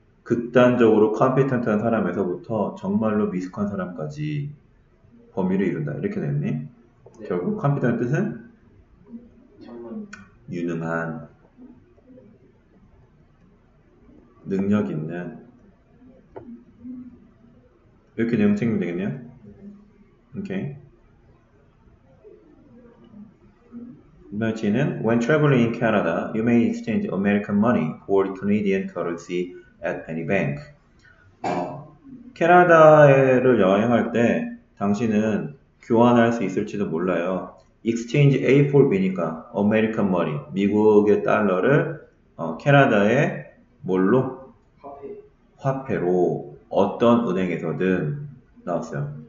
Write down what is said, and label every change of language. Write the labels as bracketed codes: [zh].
[ko] 극단적으로 컴피턴트한 사람에서부터 정말로 미숙한 사람까지 범위를 이룬다. 이렇게 됐네. 결국 컴피턴트는 유능한, 능력 있는. 이렇게 내용 챙기면 되겠네요. 오케이. 며칠은 [en] When traveling in Canada, you may exchange American money for Canadian currency at any bank. [ko] 캐나다를 여행할 때 당신은 교환할 수 있을지도 몰라요. [en] Exchange A for B니까 American money, [ko] 미국의 달러를 캐나다의 뭘로? 화폐로 어떤 은행에서든 나왔어요.